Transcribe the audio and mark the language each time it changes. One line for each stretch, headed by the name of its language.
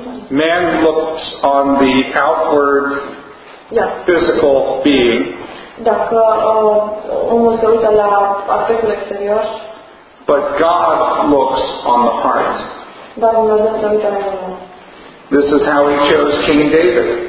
English: Man looks on the outward physical being.
Romanian: Dacă omul se uită la aspectul exterior,
English: but God looks on the heart.
Romanian: Dar Dumnezeu se uită la inimă.
English: This is how he chose King David.